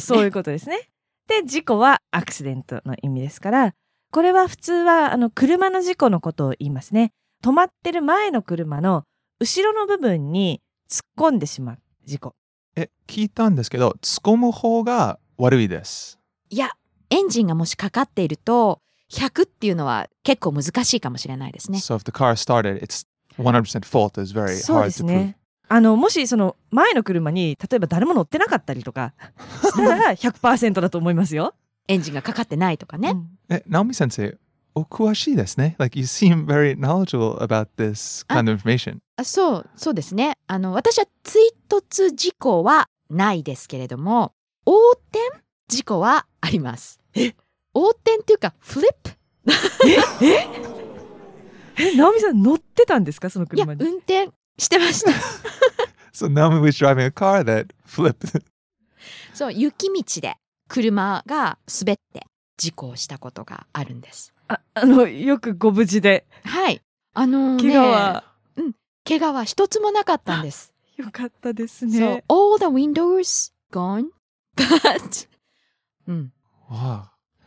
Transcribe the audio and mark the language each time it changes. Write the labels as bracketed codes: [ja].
[ja] そうそう、そういうことですね。で、事故はアクシデントの意味ですから、これは普通は車の事故のことを言いますね。止まってる前の車の後ろの部分に突っ込んでしまう事故。え、聞いたんですけど、突っ込む方が悪いです。いや、エンジンがもしかかっていると100っていうのは結構難しいかもしれないですね。 [en] So if the car started, it's 100% fault is very hard to prove. [ja] そうですね。もしその前の車に例えば誰も乗ってなかったりとかしたら 100% だと思いますよ。エンジンがかかってないとかね、うん、え、ナオミ先生お詳しいですね。 [en] Like you seem very knowledgeable about this kind of information. [ja] そうですね。私は追突事故はないですけれども、横転事故はあります。え、横転っていうかフリップ。え、ナオミさん乗ってたんですか、その車に。いや、運転してました [en] So Naomi was driving a car that flipped. [ja] そう、雪道で車が滑って事故をしたことがあるんです。よくご無事で。はい、怪我は、怪我は一つもなかったんです。よかったですね。 [en] So all the windows gone but 、